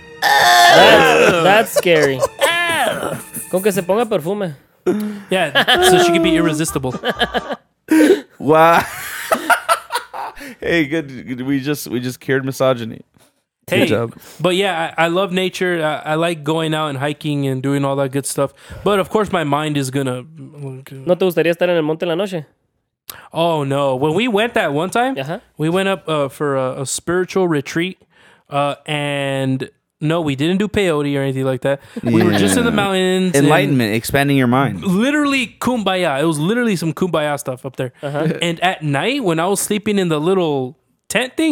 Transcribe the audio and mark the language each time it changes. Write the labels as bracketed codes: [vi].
[en] That's scary. [es] Con que se ponga perfume. [en] Yeah, so she can be irresistible. Wow. Hey, good. We just cured misogyny. Hey, good job. But yeah, I love nature. I like going out and hiking and doing all that good stuff. But of course, my mind is gonna. [es] ¿No te gustaría estar en el monte en la noche? [en] Oh no! When we went that one time, uh-huh. We went up for a spiritual retreat, and. No, we didn't do peyote or anything like that. Yeah. We were just in the mountains. Enlightenment, expanding your mind. Literally kumbaya. It was literally some kumbaya stuff up there. Uh-huh. And at night, when I was sleeping in the little tent thing.